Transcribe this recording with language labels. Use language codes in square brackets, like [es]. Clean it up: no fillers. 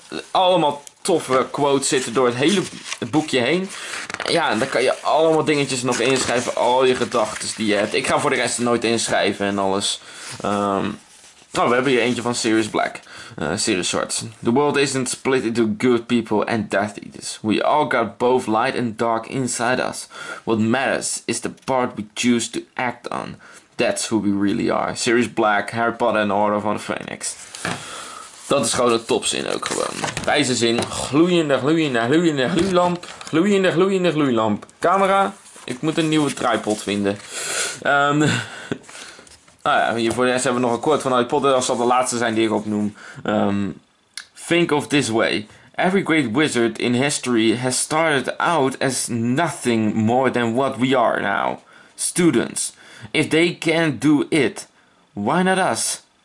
[nl] Allemaal toffe quotes zitten door het hele boekje heen. Ja, en dan kan je allemaal dingetjes nog inschrijven. Al je gedachten die je hebt. Ik ga voor de rest nooit inschrijven en alles. Oh, we hebben hier eentje van Sirius Black. [en] Sirius Swords. The world isn't split into good people and death eaters. We all got both light and dark inside us. What matters is the part we choose to act on. That's who we really are. Sirius Black, Harry Potter en Order van de Phoenix. [nl] Dat is gewoon een topzin ook gewoon. Wijze zin. Gloeiende, gloeiende, gloeiende gloeilamp. Gloeiende, gloeiende gloeilamp. Camera, ik moet een nieuwe tripod vinden. Nou ja, hier voor de rest hebben we nog een quote van Harry Potter. Dat zal de laatste zijn die ik opnoem. [en] Think of this way. Every great wizard in history has started out as nothing more than what we are now. Students. If they can't do it, why not us?